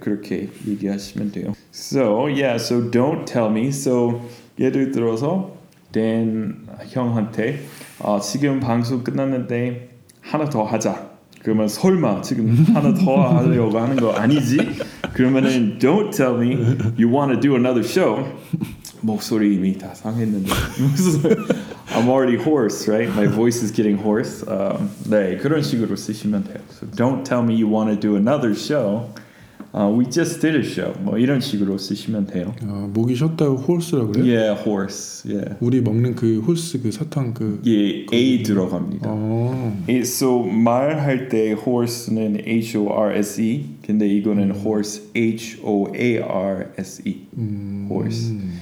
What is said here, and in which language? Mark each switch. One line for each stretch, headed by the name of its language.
Korean: 그렇게 얘기하시면 돼요.
English: So yeah, so don't tell me.
Korean: So 예를 들어서 댄 형한테 지금 방송 끝났는데 하나 더 하자. 그러면 설마 지금 하나 더 하려고 하는 거 아니지?
English: 그러면은 don't tell me you want to do another show.
Korean: 목소리 이미 다 상했는데.
English: I'm already hoarse, right? My voice is getting hoarse.
Korean: 네, 그런 식으로 쓰시면 돼요.
English: So don't tell me you want to do another show. We just did a show.
Korean: 뭐 이런 식으로 쓰시면 돼요. 목이 쉬었다고 hoarse라고 그래요?
English: Yeah, hoarse. Yeah.
Korean: 우리 먹는 그 hoarse, 그 사탕 그... 예, 거기. A 들어갑니다.
English: It, so
Korean: 말할 때
English: hoarse는 H-O-R-S-E.
Korean: 근데 이거는 hoarse, H-O-A-R-S-E. Hoarse.